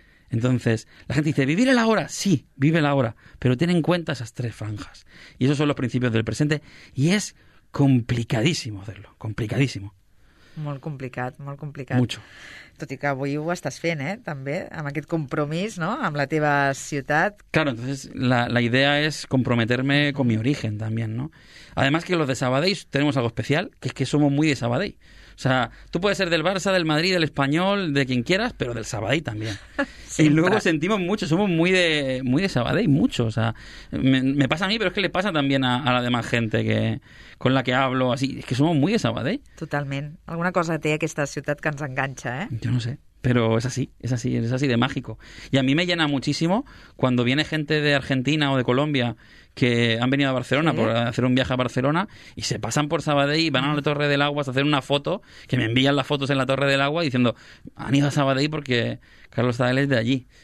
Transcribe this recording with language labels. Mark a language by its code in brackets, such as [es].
[es] Entonces, la gente dice, ¿vivir el ahora? Sí, vive el ahora, pero ten en cuenta esas tres franjas. Y esos son los principios del presente y es complicadísimo hacerlo, complicadísimo. [ca] Molt complicat, molt complicat. [es] Mucho. [ca] Tot i que avui ho estàs fent, també, amb aquest compromís, no?, amb la teva ciutat. [es] Claro, entonces la idea es comprometerme con mi origen también, ¿no? Además que los de Sabadell tenemos algo especial, que es que somos muy de Sabadell. O sea, tú puedes ser del Barça, del Madrid, del Español, de quien quieras, pero del Sabadell también. Y luego sentimos mucho, somos muy de Sabadell, mucho. O sea, me pasa a mí, pero es que le pasa también a la demás gente que con la que hablo, así. Es que somos muy de Sabadell. [ca] Totalment. Alguna cosa té aquesta ciutat que ens enganxa, ¿eh? [es] Yo no sé, pero es así de mágico. Y a mí me llena muchísimo cuando viene gente de Argentina o de Colombia que han venido a Barcelona, ¿sí?, por hacer un viaje a Barcelona y se pasan por Sabadell y van a la Torre del Agua a hacer una foto, que me envían las fotos en la Torre del Agua diciendo, han ido a Sabadell porque Carlos Sabadell es de allí.